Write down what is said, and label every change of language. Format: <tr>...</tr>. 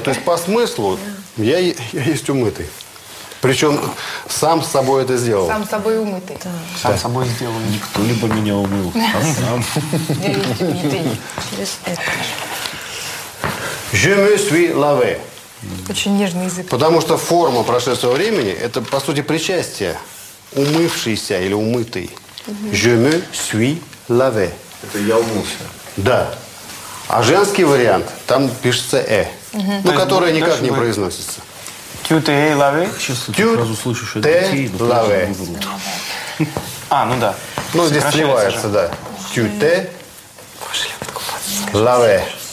<ru>То есть по смыслу я есть умытый. Причем сам с собой это сделал. Сам с собой умытый. Да. Сам с собой сделал. Не кто-либо меня умыл, а сам. Я есть умытый.</ru> <fr>Je me suis lavé.</fr> <ru>Очень нежный язык. Потому что форма прошедшего времени – это, по сути, причастие. Умывшийся или умытый.</ru> <fr>Je me suis lavé.</fr> <ru>Это я умылся. Да. А женский вариант, там пишется «э», угу. Ну, которая никак не произносится. «Тю те эй лаве»? «Тю те лаве». А, ну да. Ну, здесь сливается, да. «Тю те лаве».</ru>